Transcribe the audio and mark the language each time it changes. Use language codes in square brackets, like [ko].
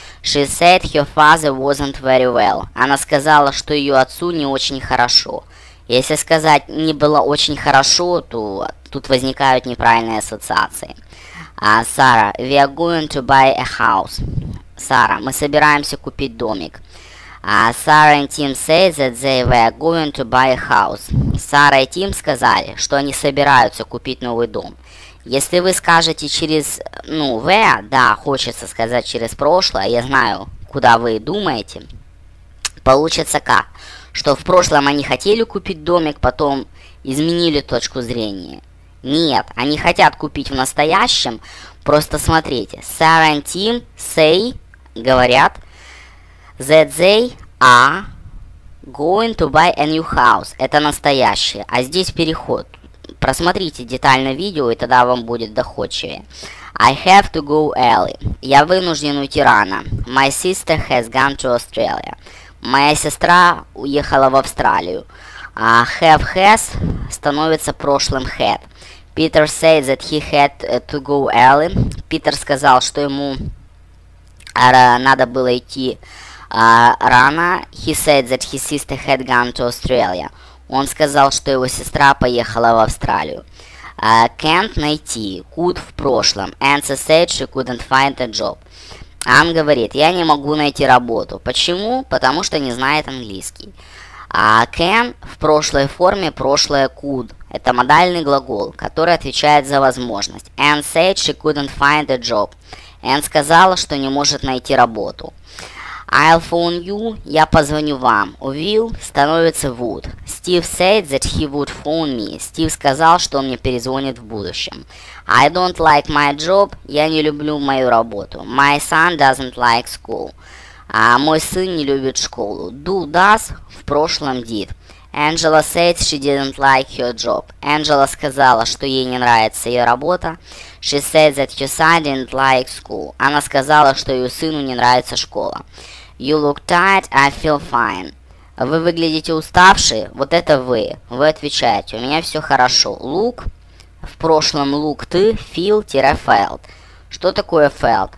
[en] She said her father wasn't very well. [ru] Она сказала, что ее отцу не очень хорошо. Если сказать «не было очень хорошо», то тут возникают неправильные ассоциации. [en] Sarah, we are going to buy a house. [ru] Сара, мы собираемся купить домик. [en] Sarah and Tim say that they were going to buy a house. [ru] Сара и Тим сказали, что они собираются купить новый дом. Если вы скажете через, ну, where, да, хочется сказать через прошлое, я знаю, куда вы думаете, получится как? Что в прошлом они хотели купить домик, потом изменили точку зрения. Нет, они хотят купить в настоящем, просто смотрите. [en] Sarah and Tim say, говорят, that they are going to buy a new house. [ru] Это настоящее. А здесь переход. Просмотрите детально видео, и тогда вам будет доходчивее. [en] I have to go early. [ru] Я вынужден уйти рано. [en] My sister has gone to Australia. [ru] Моя сестра уехала в Австралию. Have has становится прошлым had. [en] Peter said that he had to go early. [ru] Питер сказал, что ему надо было идти рано. [en] He said that his sister had gone to Australia. [ru] Он сказал, что его сестра поехала в Австралию. [en] Can't [ru] найти. [en] Could [ru] в прошлом. [en] Answer said she couldn't find a job. [ru] Ан говорит, я не могу найти работу. Почему? Потому что не знает английский. А can в прошлой форме, прошлое could. Это модальный глагол, который отвечает за возможность. [en] Ann said she couldn't find a job. [ru] Ann сказала, что не может найти работу. [en] I'll phone you, [ru] я позвоню вам. [en] Will [ru] становится [en] would. Steve said that he would phone me. [ru] Стив сказал, что он мне перезвонит в будущем. [en] I don't like my job, [ru] я не люблю мою работу. [en] My son doesn't like school. [ru] Мой сын не любит школу. [en] Do, does, [ru] в прошлом [en] did. Angela said she didn't like her job. [ru] Angela сказала, что ей не нравится ее работа. [en] She said that her son didn't like school. [ru] Она сказала, что ее сыну не нравится школа. [en] You look tired, I feel fine. [ru] Вы выглядите уставшие? Вот это вы. Вы отвечаете, у меня все хорошо. Look, в прошлом look ты, feel-felt. Что такое felt?